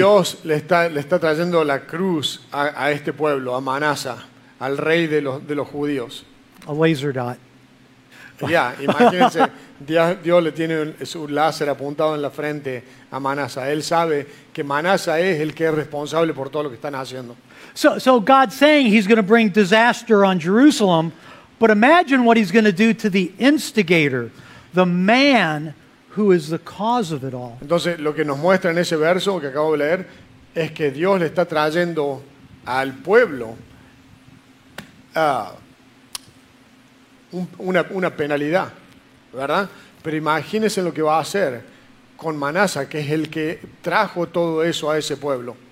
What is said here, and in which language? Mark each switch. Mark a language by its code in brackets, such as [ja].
[es] Dios le está trayendo la cruz a este pueblo, a Manasseh, al rey de los judíos. [en] A laser dot. [es] Yeah, imagínense, Dios le tiene su láser apuntado en la frente a Manasseh. Él sabe que Manasseh es el que es responsable por todo lo que están haciendo. [en] So God's saying he's going to bring disaster on Jerusalem, but imagine what he's going to do to the instigator, the man who is the cause of it all. [es] Entonces, lo que nos muestra en ese verso que acabo de leer es que Dios le está trayendo al pueblo una penalidad, ¿verdad? Pero imagínense lo que va a hacer con Manasseh, que es el que trajo todo eso a ese pueblo.